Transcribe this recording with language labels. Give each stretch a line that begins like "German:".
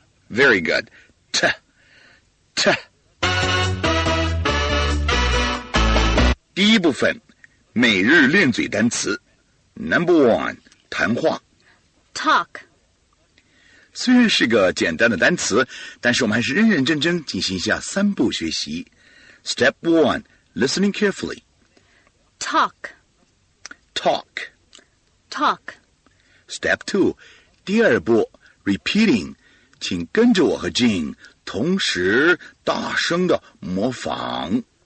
English: Very good， 恰恰。
Chinese: 第一部分，每日练嘴单词。
English: Number one，
Chinese: 谈话。
English: Talk。
Chinese: 虽然是个简单的单词，但是我们还是认认真真进行一下三步学习。
English: Step one， listening carefully。 Talk。 Talk。 Talk。 Step two，
Chinese: 第二步 ，
English: repeating，
Chinese: 请跟着我和 Jean 同时大声的模仿。